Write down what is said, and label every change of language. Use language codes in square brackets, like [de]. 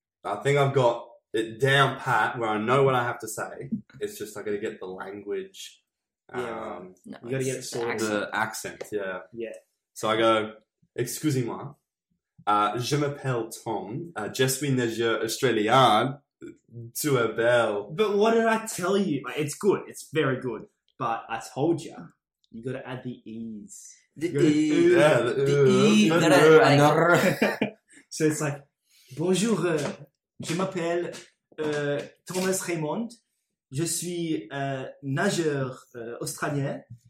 [en] I think I've got it down pat where I know what I have to say. It's just I got to get the language. You got to get the accent. The accent, yeah. Yeah. So I go, [fr] excusez-moi, je m'appelle Tom, je suis né australien. [en] To a bell. But what did I tell you? It's good. It's very good. But I told you, you got to add the E's. The E. So it's like, [fr] bonjour, je m'appelle Thomas Raymond. Je suis nageur australien.